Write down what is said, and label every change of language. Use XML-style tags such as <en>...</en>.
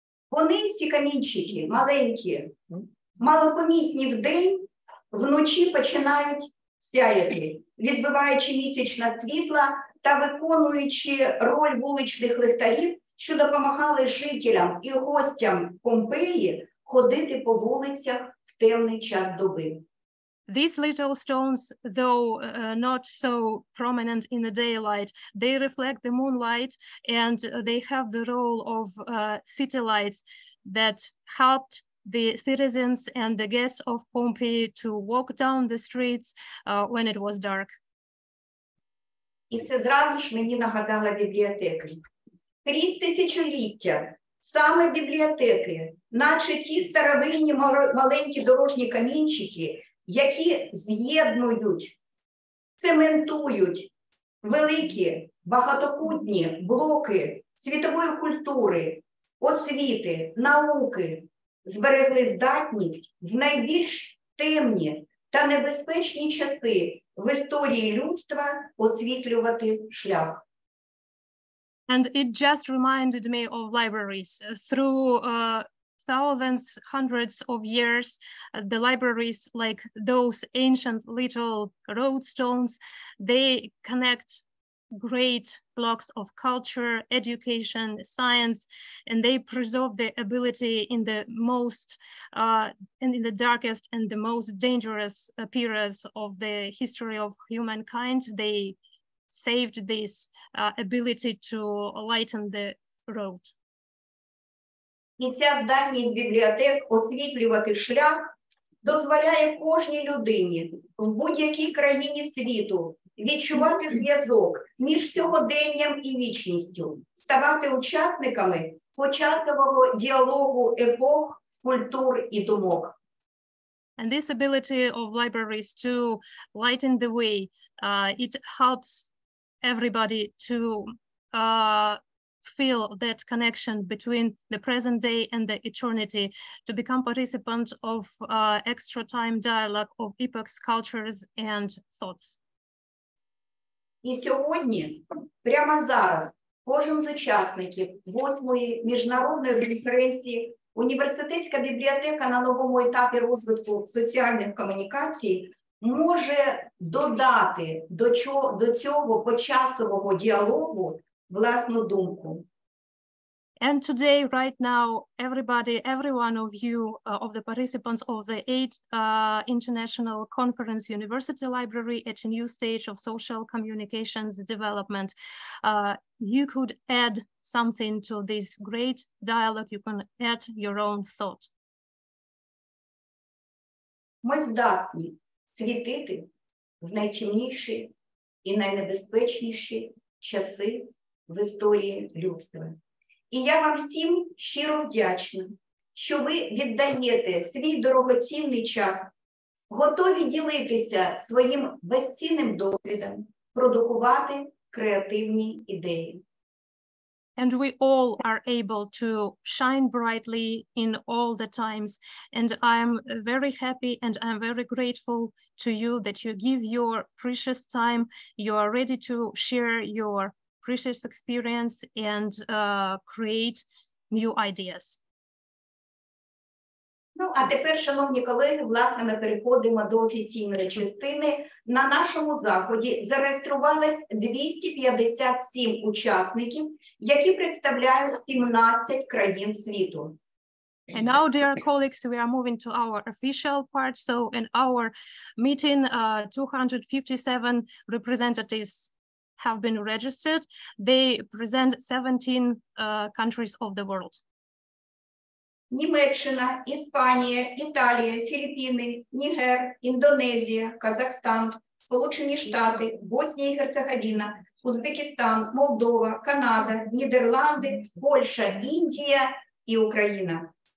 <uk>Вони ці камінчики маленькі, малопомітні вдень, вночі починають сяяти, відбиваючи місячне світло та виконуючи роль вуличних лихтарів, що допомагали жителям і гостям Помпеї ходити по вулицях в темний час доби.</uk> <en>These little stones, though not so prominent in the daylight, they reflect the moonlight and they have the role of city lights that helped the citizens and the guests of Pompeii to walk down the streets when it was dark.</en> <uk>І це зразу ж мені нагадала бібліотеки. Крізь тисячоліття саме бібліотеки, наче ті старовинні маленькі дорожні камінчики, які з'єднують, цементують великі багатокутні блоки світової культури, освіти, науки, зберегли здатність в найбільш темні та небезпечні часи в історії людства освітлювати шлях.</uk> <en>And it just reminded me of libraries. Through thousands, hundreds of years, the libraries, like those ancient little roadstones, they connect great blocks of culture, education, science, and they preserve the ability in the most and in the darkest and the most dangerous periods of the history of humankind, they saved this ability to lighten the road.</en> <uk>І ця здатність бібліотек освітлювати шлях дозволяє кожній людині в будь-якій країні світу відчувати зв'язок між сьогоденням і вічністю, ставати учасниками початкового діалогу епох, культур і думок.</uk> <en>And this ability of libraries to lighten the way, it helps everybody to feel that connection between the present day and the eternity, to become participant of extra time dialogue of epochs, cultures, and thoughts.</en> <uk>І сьогодні, прямо зараз, кожен з учасників 8-ї міжнародної конференції університетська бібліотека на новому етапі розвитку соціальних комунікацій може додати до цього почасового діалогу власну думку.</uk> <en>And today, right now, everybody, every one of you, of the participants of the 8th International Conference University Library at a new stage of social communications development, you could add something to this great dialogue. You can add your own thought.</en> <uk>Ми здатні світити в найчемніші і найнебезпечніші часи в історії людства. І я вам всім щиро вдячна, що ви віддаєте свій дорогоцінний час, готові ділитися своїм безцінним досвідом, продукувати креативні ідеї.</uk> <en>And we all are able to shine brightly in all the times, and I am very happy and I am very grateful to you that you give your precious time, you are ready to share your precious experience and create new ideas.</en> <uk>Ну, а тепер, шановні колеги, власне, ми переходимо до офіційної частини. На нашому заході зареєструвалось 257 учасників, які представляють 17 країн світу.</uk> <en>And now, dear colleagues, we are moving to our official part. So in our meeting, 257 representatives have been registered. They present 17 countries of the world.</en> <uk>Німеччина, Іспанія, Італія, Філіппіни, Нігер, Індонезія, Казахстан, Сполучені Штати, Боснія і Герцеговіна, Узбекистан, Молдова, Канада, Нідерланди, Польща, Індія і Україна.</uk>